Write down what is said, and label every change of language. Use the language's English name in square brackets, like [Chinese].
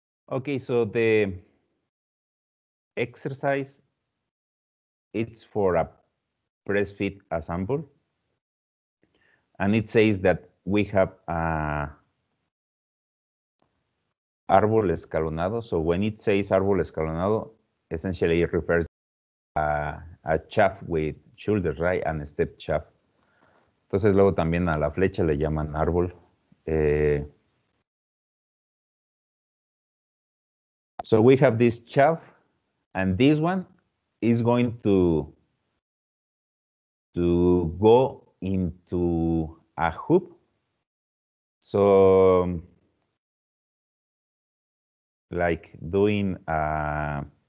[English] Okay, so the exercise it's for a press fit ensemble, and it says that we have a árbol escalonado. So when it says árbol escalonado, essentially it refers a shaft with shoulders, right, and a step shaft. [Spanish] Entonces luego también a la flecha le llaman árbol. [English] So we have this shaft, and this one is going to go into a hoop. So like doing a